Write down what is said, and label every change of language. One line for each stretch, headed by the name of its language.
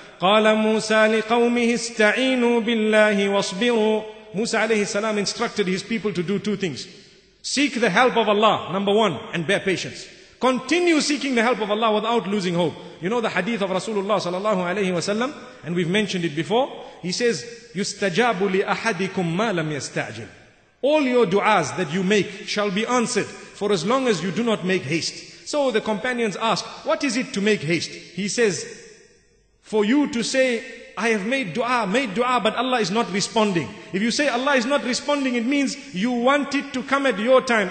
Arabic: قال موسى لقومه استعينوا بالله واصبروا.
English: Musa alayhi salam instructed his people to do two things. Seek the help of Allah, number one, and bear patience. Continue seeking the help of Allah without losing hope. You know the hadith of Rasulullah sallallahu alayhi wa sallam, and we've mentioned it before.
Arabic: He says, يُسْتَجَابُ لِأَحَدِكُمْ مَا لَمْ يَسْتَعْجِلْ.
English: All your du'as that you make shall be answered for as long as you do not make haste. So the companions ask, what is it to make haste? He says, for you to say, I have made dua, but Allah is not responding. If you say Allah is not responding, it means you want it to come at your time.